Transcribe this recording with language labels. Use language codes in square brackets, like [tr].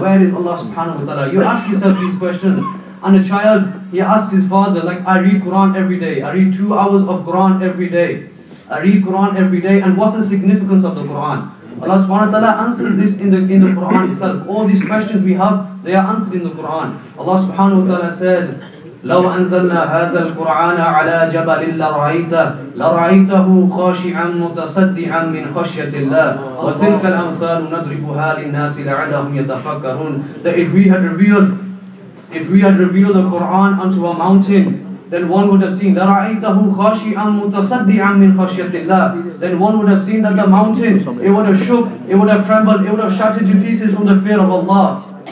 [en] Where is Allah subhanahu wa ta'ala? You ask yourself these questions. And a child, he asks his father, like, I read Quran every day. I read 2 hours of Quran every day. I read Quran every day. And what's the significance of the Quran? Allah subhanahu wa ta'ala answers this in the Quran itself. All these questions we have, they are answered in the Quran. [ar] Allah subhanahu wa ta'ala says, لو أنزلنا هذا القرآن على جبل لرأيته خاشعا متصدعا من خشية الله وتلك الأمثال نضربها للناس لعلهم يتفكرون. [en] That if we had revealed the Quran onto a mountain, then one would have seen [ar] لَرَأَيْتَهُ خَاشِعًا مُتَصَدِّعًا مِنْ خَشْيَةِ اللَّهِ. [en] Then one would have seen that the mountain, it would have shook, it would have trembled, it would have shattered to pieces from the fear of Allah.